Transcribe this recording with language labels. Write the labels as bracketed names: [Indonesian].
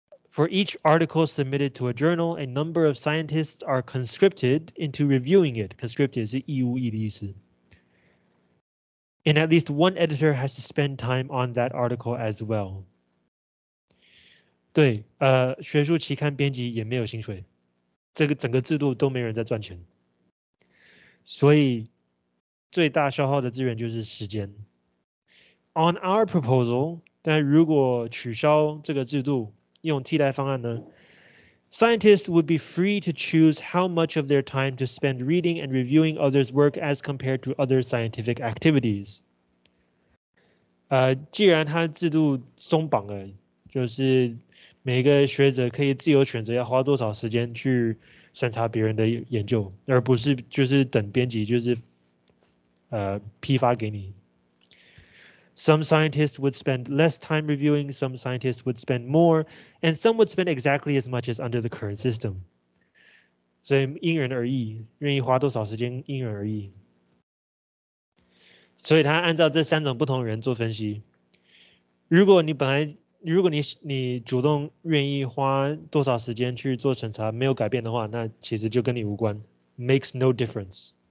[English] For each article submitted to a journal, a number of scientists are conscripted into reviewing it. Conscripted [Chinese] 是义务役的意思。 [English] And at least one editor has to spend time on that article as well. [Chinese] 对，学术期刊编辑也没有薪水，这个整个制度都没人在赚钱，所以最大消耗的资源就是时间。 [English] On our proposal, [Chinese] 但如果取消这个制度，用替代方案呢 [English] ？Scientists would be free to choose how much of their time to spend reading and reviewing others' work as compared to other scientific activities. [Chinese] 既然它制度松绑了，就是每个学者可以自由选择要花多少时间去审查别人的研究，而不是就是等编辑就是批发给你。 [English] Some scientists would spend less time reviewing, some scientists would spend more, and some would spend exactly as much as under the current system. [Chinese] 所以因人而异，愿意花多少时间因人而异。所以他按照这三种不同人做分析。如果你本来，如果 你主动愿意花多少时间去做审查没有改变的话，那其实就跟你无关， [English] makes no difference。